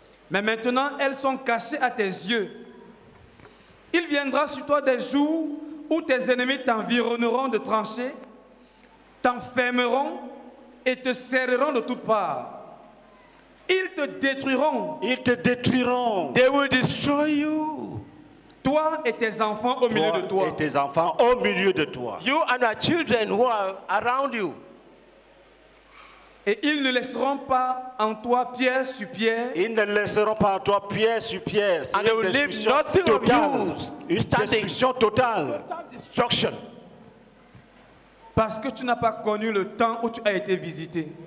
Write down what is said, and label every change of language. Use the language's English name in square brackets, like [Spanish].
[French] Mais maintenant, elles sont cachées à tes yeux. Il viendra sur toi des jours où tes ennemis t'environneront de tranchées, t'enfermeront et te serreront de toutes parts. Ils te détruiront. Ils te détruiront. [English] They will destroy you. [French] Toi et tes enfants au milieu de toi. Et tes enfants au milieu de toi. [English] You and your children who are around you. [French] Et ils ne laisseront pas en toi pierre sur pierre. Ils ne laisseront pas en toi pierre sur pierre. [English] And they will leave nothing of you. [French] Destruction totale. [English] Destruction. [French] Parce que tu n'as pas connu le temps où tu as été visité.